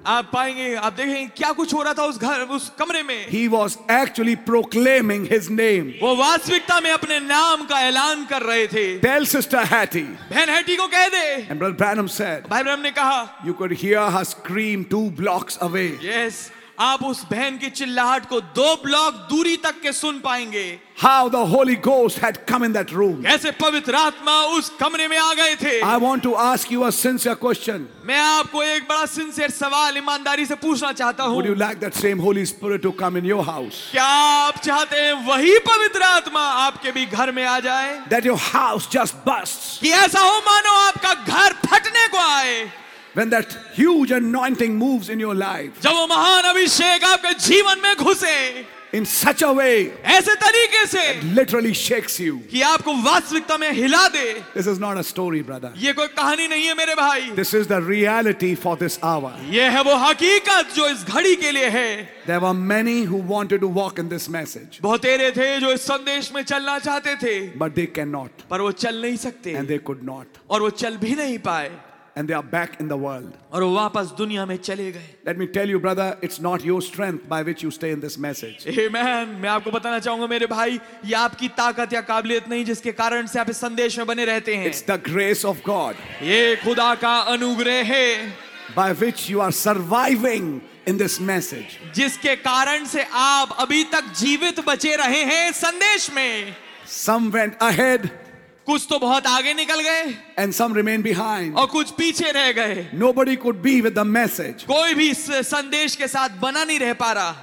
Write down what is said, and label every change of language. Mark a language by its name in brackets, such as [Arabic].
[Hindi] आप पाएंगे आप देखेंगे क्या कुछ हो रहा था उस घर उस कमरे में. [English] He was actually proclaiming his name. [Hindi] वो वास्तविकता में अपने नाम का ऐलान कर रहे थे. [English] Tell sister Hattie. [Hindi] बहन हैटी को कह दे. [English] And Brother Branham said. [Hindi] भाई ब्रैनम ने कहा. [English] You could hear her scream two blocks away. Yes. [Hindi] आप उस बहन की चिल्लाहट को दो ब्लॉक दूरी तक के सुन पाएंगे. [English] How the Holy Ghost had come in that room. [Hindi] ऐसे पवित्र आत्मा उस कमरे में आ गए थे. [English] I want to ask you a sincere question. [Hindi] मैं आपको एक बड़ा सिंसियर सवाल ईमानदारी से पूछना चाहता हूँ. [English] Would you like that same Holy Spirit to come in your house? [Hindi] क्या आप चाहते हैं वही पवित्र आत्मा आपके भी घर में आ जाए? [English] That your house just bursts. [Hindi] कि ऐसा हो मानो आपका घर फटने को आए. [English] When that huge anointing moves in your life, [Hindi] जब वो महान अभिषेक आपके जीवन में घुसे, [English] in such a way, [Hindi] ऐसे तरीके से, [English] it literally shakes you, [Hindi] कि आपको वास्तविकता में हिला दे. [English] This is not a story, brother. [Hindi] ये कोई कहानी नहीं है मेरे भाई. [English] This is the reality for this hour. [Hindi] ये है वो हकीकत जो इस घड़ी के लिए है. [English] There were many who wanted to walk in this message. [Hindi] बहुतेरे थे जो इस संदेश में चलना चाहते थे. [English] But they cannot. [Hindi] पर वो चल नहीं सकते. [English] And they could not. [Hindi] और वो चल भी नहीं पाए. [English] And they are back in the world. [Hindi] और वापस दुनिया में चले गए. [English] Let me tell you, brother, it's not your strength by which you stay in this message. Amen. [Hindi] मैं आपको बताना चाहूँगा मेरे भाई, ये आपकी ताकत या काबिलियत नहीं जिसके कारण से आप इस संदेश में बने रहते हैं. [English] It's the grace of God. [Hindi] ये खुदा का अनुग्रह है. [English] By which you are surviving in this message. [Hindi] जिसके कारण से आप अभी तक जीवित बचे रहे हैं संदेश में. [English] Some went ahead. [Hindi] कुछ तो बहुत आगे निकल गए [English] and some remain behind [Hindi] और कुछ पीछे रह गए. [English] Nobody could be with the message. [Hindi] कोई भी संदेश के साथ बना नहीं रह पा रहा.